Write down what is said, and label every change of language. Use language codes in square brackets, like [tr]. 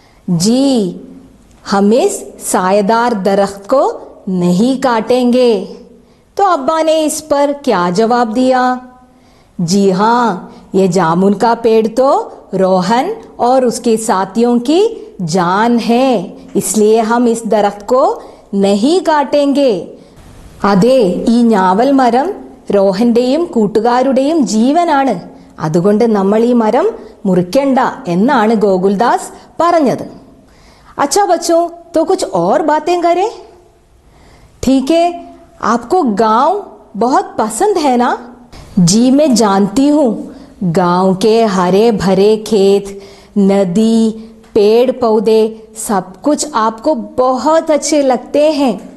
[hi] जी, हम इस सायदार दरख्त को नहीं काटेंगे। तो अब्बा ने इस पर क्या जवाब दिया? जी हाँ, ये जामुन का पेड़ तो रोहन और उसके साथियों की जान है, इसलिए हम इस दरख्त को नहीं काटेंगे। [ml] അതെ, ഈ ഞാവൽ മരം രോഹന്റെയും കൂട്ടുകാരുടെയും ജീവനാണ്, അതുകൊണ്ട് നമ്മൾ ഈ മരം മുറിക്കണ്ട എന്നാണ് ഗോകുൽദാസ് പറഞ്ഞത്. [hi] अच्छा बच्चों, तो कुछ और बातें करें? ठीक है, आपको गांव बहुत पसंद है ना? जी, मैं जानती हूँ। गांव के हरे भरे खेत, नदी, पेड़ पौधे, सब कुछ आपको बहुत अच्छे लगते हैं।